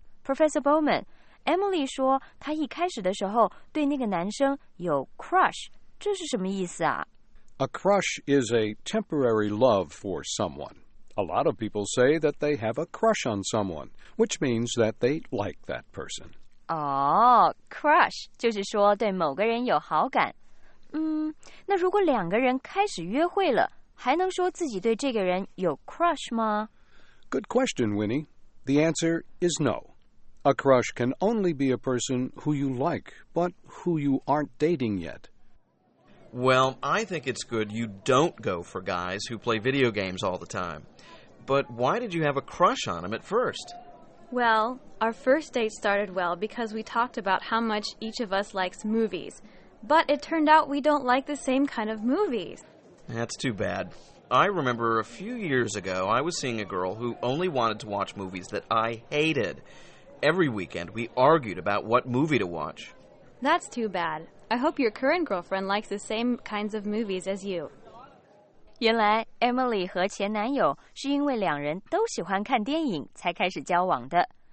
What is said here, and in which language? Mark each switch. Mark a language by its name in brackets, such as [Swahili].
[Chinese] Professor Bowman, Emily 说她一开始的时候对那个男生有 crush, 这是什么意思啊? [English] A crush is a temporary love for someone. A lot of people say that they have a crush on someone, which means that they like that person. [Chinese] Oh, crush, 就是说对某个人有好感。那如果两个人开始约会了，还能说自己对这个人有 crush 吗? [English] Good question, Winnie. The answer is no. A crush can only be a person who you like, but who you aren't dating yet. Well, I think it's good you don't go for guys who play video games all the time. But why did you have a crush on him at first? Well, our first date started well because we talked about how much each of us likes movies. But it turned out we don't like the same kind of movies. That's too bad. I remember a few years ago I was seeing a girl who only wanted to watch movies that I hated. Every weekend we argued about what movie to watch. That's too bad. I hope your current girlfriend likes the same kinds of movies as you. [Chinese] 原来 Emily 和前男友是因为两人都喜欢看电影才开始交往的。